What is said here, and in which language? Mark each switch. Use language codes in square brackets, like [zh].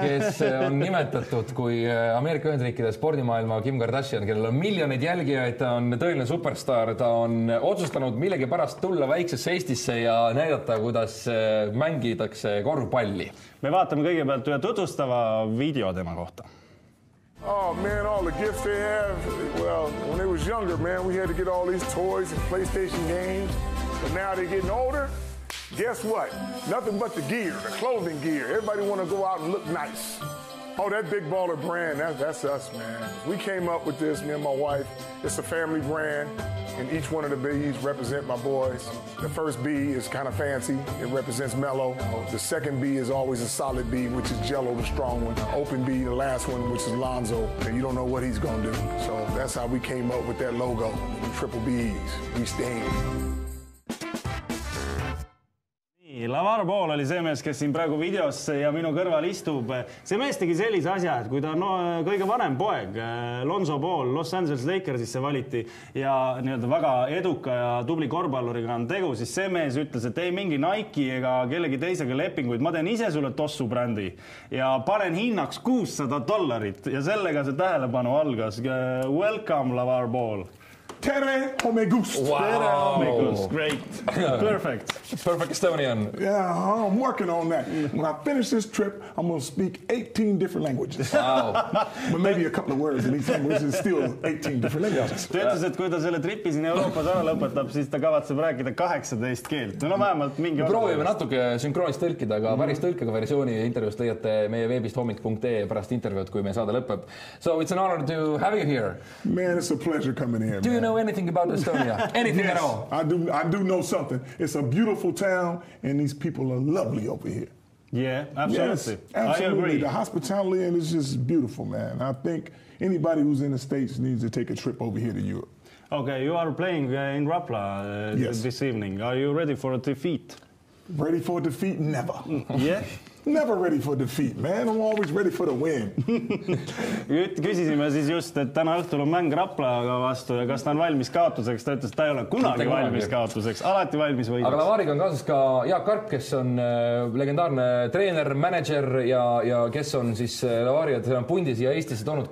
[et] Mees, kes on nimetatud kui Ameerika Ühendriikide spordimaailma Kim Kardashian, kellel on miljonid jälgijaid, ta on tõeline superstar, ta on otsustanud millegi pärast tulla väiksesse Eestisse ja näidata, kuidas mängitakse korvpalli. Me vaatame kõigepealt ühe tutvustava video tema kohta. [en] Oh man, all the gifts they have. Well, when they was younger, man, we had to get all these toys and PlayStation games. But now they're getting older. Guess what? Nothing but the gear, the clothing gear. Everybody want to go out and look nice. Oh, that Big Baller brand, that's us, man. We came up with this, me and my wife. It's a family brand, and each one of the B's represent my boys. The first B is kind of fancy. It represents Mellow. The second B is always a solid B, which is Jello, the strong one. The open B, the last one, which is Lonzo. And you don't know what he's going to do. So that's how we came up with that logo, the triple B's. We stand. [et] Lavar Ball oli see mees, kes siin praegu videos ja minu kõrval istub. See mees tegi sellise asja, et kui ta on kõige vanem poeg, Lonzo Ball, Los Angeles Lakers sisse valiti ja nii-öelda väga eduka ja tubli korvpalluriga on tegu, siis see mees ütles, et ei mingi Nike ega kellegi teisega lepinguid, ma teen ise sulle tossu brändi ja panen hinnaks $600 ja sellega see tähelepanu algas. [en] Welcome, Lavar Ball! [et] Tere omegust! [en] Wow. [et] Tere omegust, [en] great! Perfect! Perfect Estonian! Yeah, I'm working on that. When I finish this trip, I'm going to speak 18 different languages. Wow! But maybe a couple of words in each language is still 18 different languages. [et] Ta ütles, et kui ta selle trippi siin Euroopas ära lõpetab, siis ta kavatseb rääkida 18 keelt. No vähemalt mingi... Proovime natuke sünkroonist tõlkida, aga päris tõlkega versiooni intervjuust leiate meie veebist homit.ee pärast intervjuud, kui meie saade lõpeb. [en] So it's an honor to have you here. Man, it's a pleasure coming here. Do you know anything about Estonia? Anything yes, at all? I do know something. It's a beautiful town and these people are lovely over here. Yeah, absolutely. Yes, absolutely. I agree. The hospitality and it's just beautiful, man. I think anybody who's in the States needs to take a trip over here to Europe. Okay, you are playing in Rapla yes. this evening. Are you ready for a defeat? Ready for a defeat? Never. Yeah? Never ready for defeat, man. I'm always ready for the win. [et] Küsisime siis just, et täna õhtul on mäng Raplaga vastu ja kas ta on valmis kaotuseks? Ta ütles, et ta ei ole kunagi valmis kaotuseks. Alati valmis võidus. Aga Lavariga on kaasas ka Jaak Karp, kes on legendaarne treener, manager ja kes on siis Lavariad pundis ja Eestisse toonud.